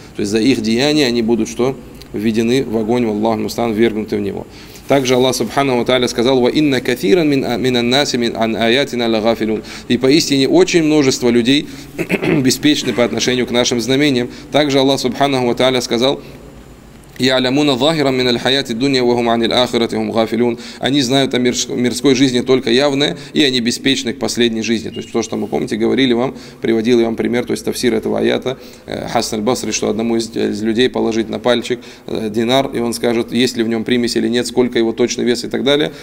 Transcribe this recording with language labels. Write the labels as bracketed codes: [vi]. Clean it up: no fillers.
[ru] То есть за их деяния они будут что? Введены в огонь, в Аллах мустан, ввергнуты в него. Также Аллах субханаху ва тааля сказал: [ar] «Ва инна кафиран мин ан-наси мин ан аятина ла гафилун». [ru] И поистине очень множество людей беспечны по отношению к нашим знамениям. Также Аллах субханаху ва тааля сказал: [ar] يعلمون ظاهرا من الحياة الدنيا وهم عن الآخرة هم غافلون. [ru] Они знают о мирской жизни только явное, и они беспечны к последней жизни. То есть то, что мы, помните, говорили вам, приводили вам пример, то есть тафсир этого аята Хасан аль-Басри, что одному из людей положить на пальчик динар, и он скажет, есть ли в нем примесь или нет, сколько его точный вес и так далее.